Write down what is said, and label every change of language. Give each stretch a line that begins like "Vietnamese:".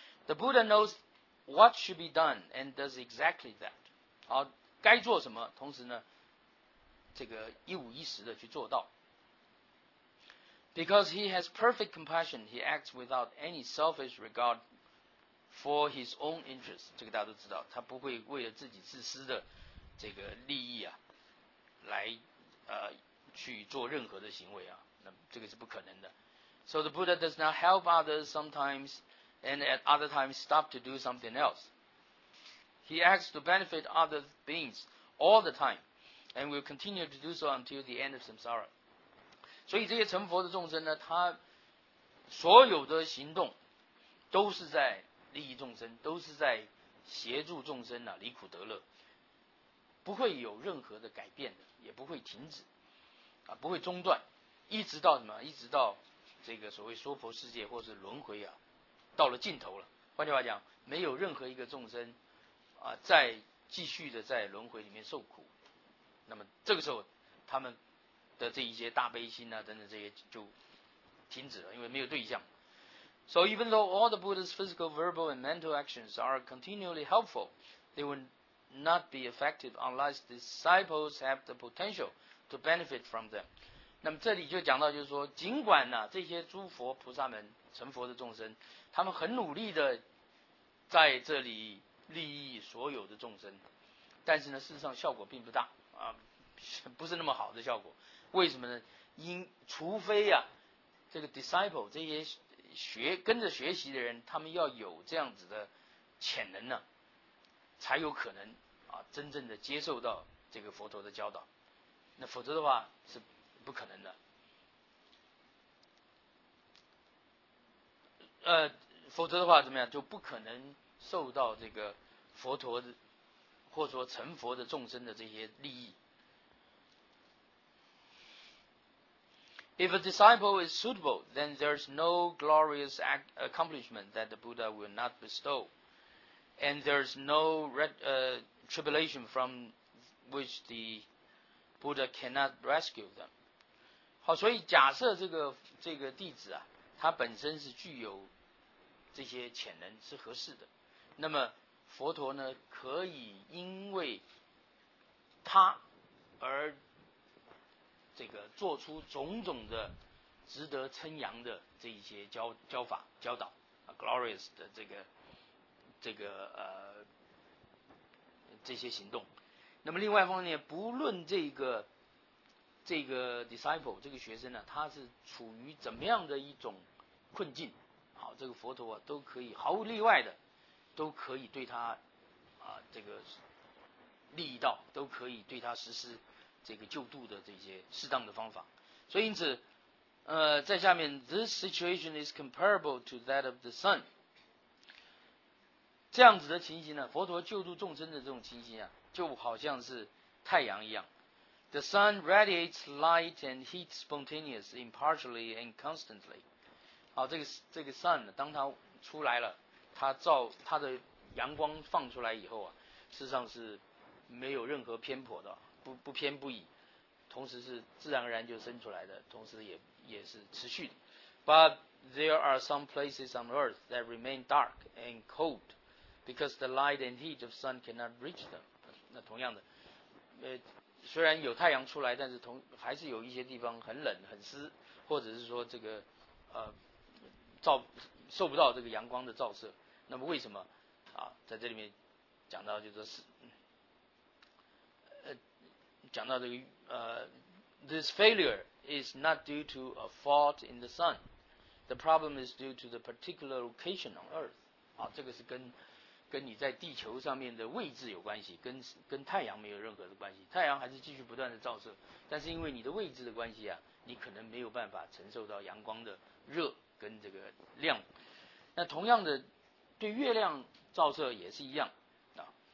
English: The Buddha knows what should be done and does exactly that。
Chinese: 好，该做什么，同时呢，这个一五一十的去做到。
English: Because he has perfect compassion, he acts without any selfish regard for his own interests。
Chinese: 这个大家都知道，他不会为了自己自私的这个利益啊，来去做任何的行为啊。那这个是不可能的。
English: So the Buddha does not help others sometimes, and at other times stop to do something else. He acts to benefit other beings all the time, and will continue to do so until the end of samsara.
Chinese: 所以这些成佛的众生呢，他所有的行动都是在利益众生，都是在协助众生啊离苦得乐，不会有任何的改变的，也不会停止啊，不会中断。一直到什么？一直到这个所谓娑婆世界或是轮回啊，到了尽头了。换句话讲，没有任何一个众生啊，再继续的在轮回里面受苦。那么这个时候，他们的这一些大悲心啊等等这些就停止了，因为没有对象。
English: So even though all the Buddha's physical, verbal, and mental actions are continually helpful, they would not be effective unless disciples have the potential to benefit from them.
Chinese: 那么这里就讲到，就是说，尽管呢、啊，这些诸佛菩萨们成佛的众生，他们很努力的在这里利益所有的众生，但是呢，事实上效果并不大啊，不是那么好的效果。为什么呢？因除非啊，这个 disciple 这些学跟着学习的人，他们要有这样子的潜能呢、啊，才有可能啊，真正的接受到这个佛陀的教导。那否则的话是。不可能的。否则的话怎么样，就不可能受到这个佛陀的或者说成佛的众生的这些利益。
English: If a disciple is suitable, then there's no glorious accomplishment that the Buddha will not bestow, and there's no tribulation from which the Buddha cannot rescue them.
Chinese: 好，所以假设这个弟子啊，他本身是具有这些潜能，是合适的，那么佛陀呢，可以因为他而这个做出种种的值得称扬的这一些教法教导啊 ，glorious 的这个这些行动。那么另外一方面，不论这个 disciple 这个学生呢、啊，他是处于怎么样的一种困境？好，这个佛陀啊，都可以毫无例外的，都可以对他啊这个利益道，都可以对他实施这个救度的这些适当的方法。所以因此，在下面
English: ，this situation is comparable to that of the sun。
Chinese: 这样子的情形呢、啊，佛陀救度众生的这种情形啊，就好像是太阳一样。
English: The sun radiates light and heat spontaneously, impartially, and constantly.
Chinese: 好，这个 sun 当它出来了，它照它的阳光放出来以后啊，事实上是没有任何偏颇的，不偏不倚，同时是自然而然就生出来的，同时也是持续的。
English: But there are some places on earth that remain dark and cold because the light and heat of sun cannot reach them.
Chinese: 那同样的，虽然有太阳出来，但是还是有一些地方很冷很湿，或者是说这个受不到这个阳光的照射。那么为什么啊，在这里面讲到就是讲到这个
English: this failure is not due to a fault in the sun. The problem is due to the particular location on earth.
Chinese: 啊，这个是跟你在地球上面的位置有关系，跟太阳没有任何的关系。太阳还是继续不断的照射，但是因为你的位置的关系啊，你可能没有办法承受到阳光的热跟这个亮。那同样的，对月亮照射也是一样啊。